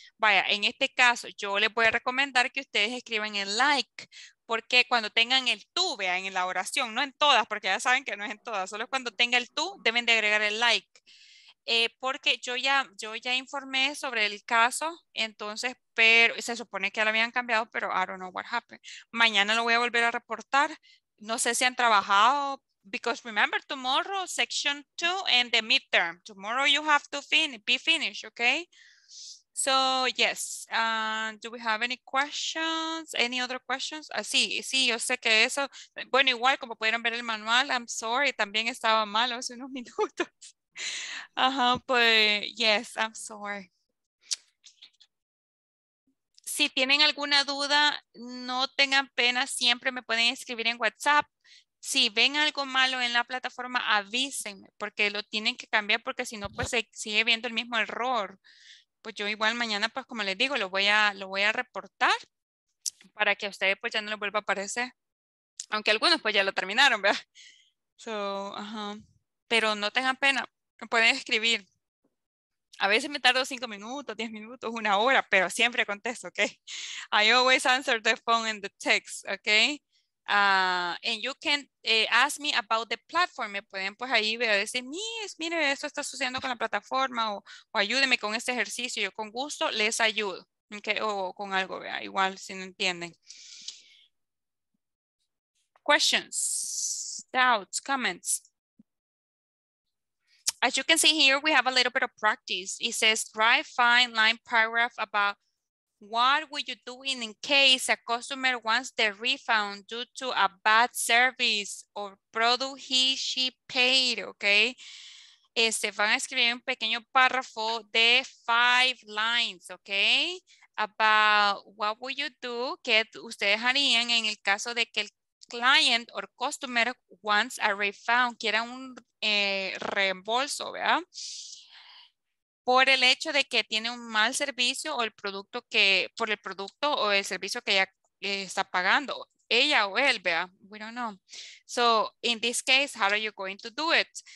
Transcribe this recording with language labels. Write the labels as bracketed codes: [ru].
[es] Vaya, en este caso, yo les voy a recomendar que ustedes escriban el like, porque cuando tengan el tú, vean, en la oración, no en todas, porque ya saben que no es en todas, solo cuando tenga el tú, deben de agregar el like. Porque yo ya informé sobre el caso, entonces, pero se supone que ya lo habían cambiado, pero [en] I don't know what happened. [es] Mañana lo voy a volver a reportar, no sé si han trabajado. [en] Because remember, tomorrow, section two and the midterm. Tomorrow you have to be finished, okay? So, yes. Do we have any questions? Any other questions? [es] Sí, yo sé que eso. Bueno, igual, como pudieron ver el manual, [en] I'm sorry, [es] también estaba malo hace unos minutos. [en] But yes, I'm sorry. [es] Si tienen alguna duda, no tengan pena, siempre me pueden escribir en WhatsApp. Si ven algo malo en la plataforma, avísenme, porque lo tienen que cambiar, porque si no, pues se sigue viendo el mismo error. Pues yo igual mañana, pues como les digo, lo voy a reportar para que a ustedes pues ya no les vuelva a aparecer. Aunque algunos pues ya lo terminaron, ¿verdad? So, pero no tengan pena, me pueden escribir. A veces me tardo 5 minutos, 10 minutos, una hora, pero siempre contesto, ¿ok? [en] I always answer the phone and the text, ¿ok? And you can ask me about the platform. [es] Me pueden pues ahí ver, decir, Miss, mire, esto está sucediendo con la plataforma, o ayúdeme con este ejercicio. Yo con gusto les ayudo, ¿okay? O con algo, vea, igual si no entienden. [en] Questions, doubts, comments. As you can see here, we have a little bit of practice. It says, write fine line paragraph about what would you do in case a customer wants the refund due to a bad service or product he, she paid, okay? [es] Este, van a escribir un pequeño párrafo de 5 lines, okay? [en] About what would you do, [es] que ustedes harían en el caso de que el [en] client or customer wants a refund, [es] quiera un reembolso, ¿verdad? Por el hecho de que tiene un mal servicio o el producto que, por el producto o el servicio que ella está pagando, ella o él, ¿verdad? [en] We don't know. So, in this case, how are you going to do it?